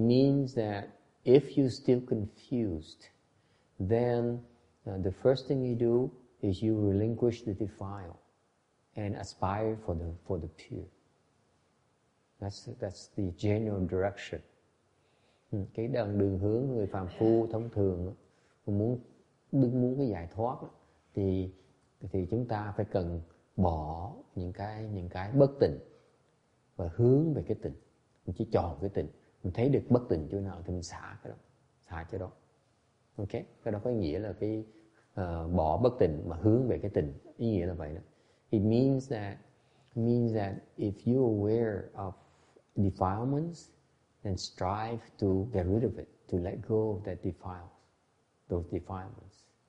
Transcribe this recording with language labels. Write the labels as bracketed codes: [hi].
[en] means that if you still confused, then the first thing you do is you relinquish the defile and aspire for the pure. That's the general direction. [vi] Cái đường hướng người phàm phu thông thường muốn cái giải thoát thì chúng ta phải cần bỏ những cái bất tịnh và hướng về cái tịnh. Mình chỉ chọn cái tịnh, mình thấy được bất tịnh chỗ nào thì mình xả cái đó. Xả chỗ đó. Ok, cái đó có nghĩa là cái bỏ bất tịnh mà hướng về cái tịnh, ý nghĩa là vậy đó. [en] It means that if you're aware of defilements, then strive to get rid of it, to let go of that defilements.